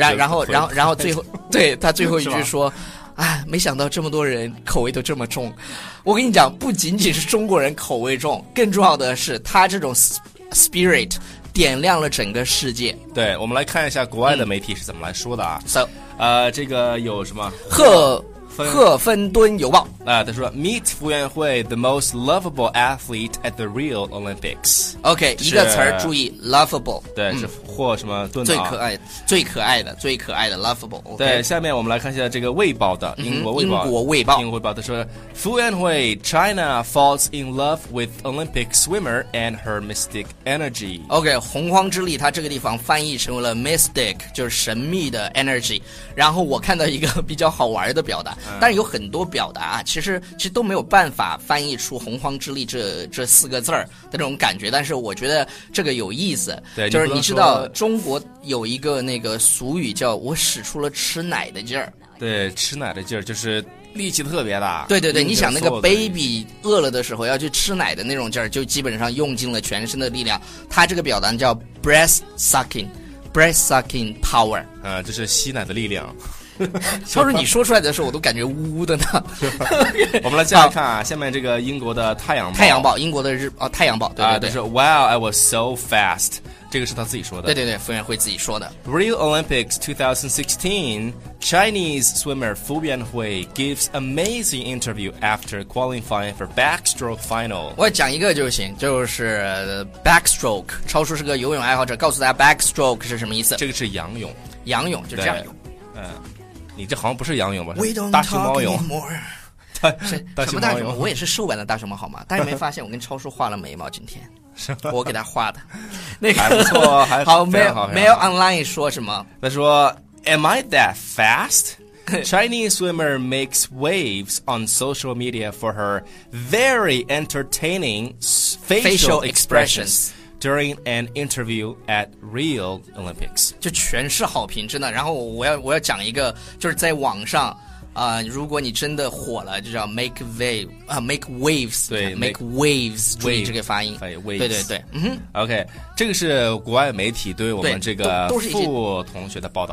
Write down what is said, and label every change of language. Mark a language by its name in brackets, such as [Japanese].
[Chinese] 然后最后，对，他最后一句说，哎，没想到这么多人口味都这么重。我跟你讲，不仅仅是中国人口味重，更重要的是他这种 spirit 点亮了整个世界。对，我们来看一下国外的媒体是怎么来说的啊。 [English] So, [Chinese] 这个有什么？赫芬顿邮报啊，他说 [English] ，Meet 傅园慧 ，the most lovable athlete at the Rio Olympics。 [Chinese] OK， 一个词儿，注意 ，lovable。对，是或什么顿最可爱、最可爱的、最可爱的 lovable、okay。对，下面我们来看一下这个卫报的英国卫报。英国卫报，英国卫报，他说， [English] 傅园慧 ，China falls in love with Olympic swimmer and her mystic energy。 [Chinese] OK， 洪荒之力，它这个地方翻译成为了 mystic， 就是神秘的 energy。然后我看到一个比较好玩的表达。但是有很多表达啊，其实都没有办法翻译出洪荒之力这四个字儿的这种感觉，但是我觉得这个有意思。对，就是你知道中国有一个那个俗语叫我使出了吃奶的劲儿。对，吃奶的劲儿就是力气特别大。对对对，你想那个 baby 饿了的时候要去吃奶的那种劲儿，就基本上用尽了全身的力量。他这个表达叫 [English] breath sucking power。 [Chinese] 这是吸奶的力量。超叔，你说出来的时候我都感觉呜呜的呢。我们来接着看啊，下面这个英国的太阳报，太阳报，英国的日哦，太阳报，对对对，是 [English] Wow, I was so fast。 [Chinese] 这个是他自己说的，对对对，傅园慧自己说的。 [English] Rio Olympics 2016, Chinese swimmer 傅园慧 gives amazing interview after qualifying for backstroke final。 [Chinese] 我讲一个就行，就是 backstroke。超叔是个游泳爱好者，告诉大家 backstroke 是什么意思？这个是仰泳，仰泳就这样泳。你这好像不是仰泳吧？大熊猫泳。大熊猫泳。我也是瘦版的大熊猫好吗？大家没发现我跟超叔画了眉毛今天。我给他画的。那个。还不错，还好。 Mail Online 说什么？他说 [English] ,Am I that fast? Chinese swimmer makes waves on social media for her very entertaining facial expressions. During an interview at Rio Olympics, [Chinese] 就全是好评，真的。然后我要讲一个，就是在网上，如果你真的火了，就叫 make waves，对 make waves， 注意这个发音， [English] waves, [Chinese] 对对对，嗯哼 ，OK， 这个是国外媒体对我们这个傅同学的报道，